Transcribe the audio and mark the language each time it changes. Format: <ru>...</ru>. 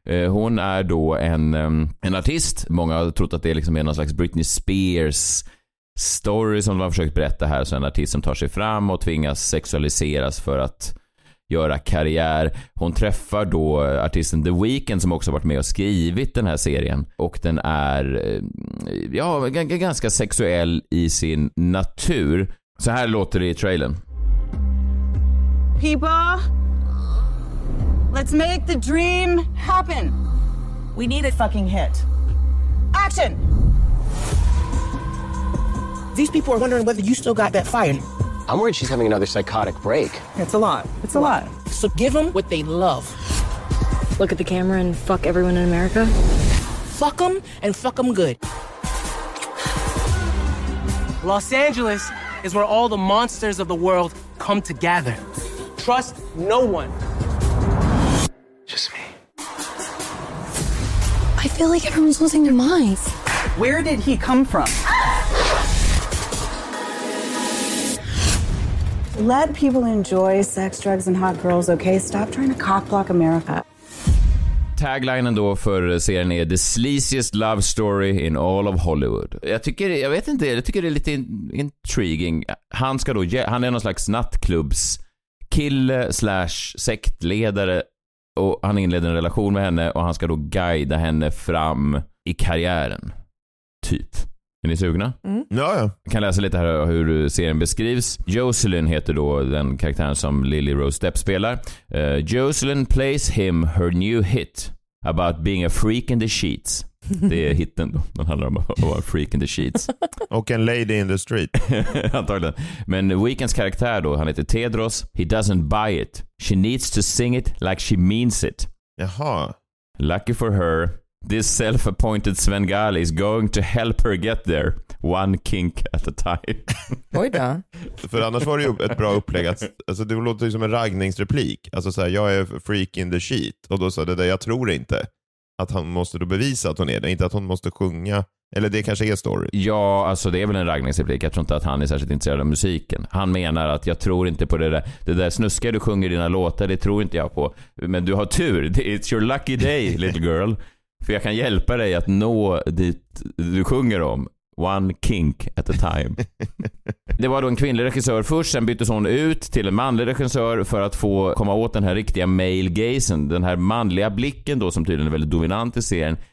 <sv>Hon är då en artist. Många har trott att det liksom är någon slags Britney Spears story som de har försökt berätta här, så en artist som tar sig fram och tvingas sexualiseras för att göra karriär. Hon träffar då artisten The Weeknd som också varit med och skrivit den här serien, och den är, ja, ganska sexuell i sin natur. Så här låter det i trailern.</sv> <en>People, let's make the dream happen. We need a fucking hit. Action. These people are wondering whether you still got that fire. I'm worried she's having another psychotic break. It's a lot. It's a lot. So give them what they love. Look at the camera and fuck everyone in America. Fuck them and fuck them good. Los Angeles is where all the monsters of the world come together. Trust no one. Just me. I feel like everyone's losing their minds. Where did he come from? Let people enjoy sex, drugs and hot girls, okay? Stop trying to cockblock America.</en> <sv>Taglinen då för serien är</sv> <en>The sleaziest love story in all of Hollywood.</en> <sv>Jag tycker det är lite intriguing. Han ska då, han är någon slags nattklubbs kille slash sektledare, och han inleder en relation med henne och han ska då guida henne fram i karriären. Typ. Är ni sugna? Mm. Ja, ja. Jag kan läsa lite här hur serien beskrivs. Jocelyn heter då den karaktären som Lily Rose Depp spelar.</sv> <en>Jocelyn plays him her new hit about being a freak in the sheets.</en> <sv>Det är hitten då. Den handlar om att vara</sv> <en>freak in the sheets.</en> <sv>Och en</sv> <en>lady in the street.</en> <sv>Antagligen. Men Weekends karaktär då, han heter Tedros.</sv> <en>He doesn't buy it. She needs to sing it like she means it.</en> <sv>Jaha.</sv> <en>Lucky for her, this self-appointed Svengali is going to help her get there. One kink at a time.</en> <sv>Oj då. För annars var det ju ett bra upplägg. Alltså, det låter ju som en raggningsreplik. Alltså så här, jag är</sv> <en>freak in the sheet.</en> <sv>Och då sa det där, jag tror inte. Att han måste då bevisa att hon är det. Inte att hon måste sjunga. Eller det kanske är story. Ja, alltså det är väl en raggningsreplik. Jag tror inte att han är särskilt intresserad av musiken. Han menar att jag tror inte på det där. Det där snuska du sjunger dina låtar, det tror inte jag på. Men du har tur.</sv> <en>It's your lucky day, little girl.</en> <sv>För jag kan hjälpa dig att nå dit du sjunger om.</sv> <en>One kink at a time.</en> <sv>Det var då en kvinnlig regissör först, sen byttes hon ut till en manlig regissör för att få komma åt den här riktiga male gazen, den här manliga blicken då som tydligen är väldigt dominant i serien.</sv>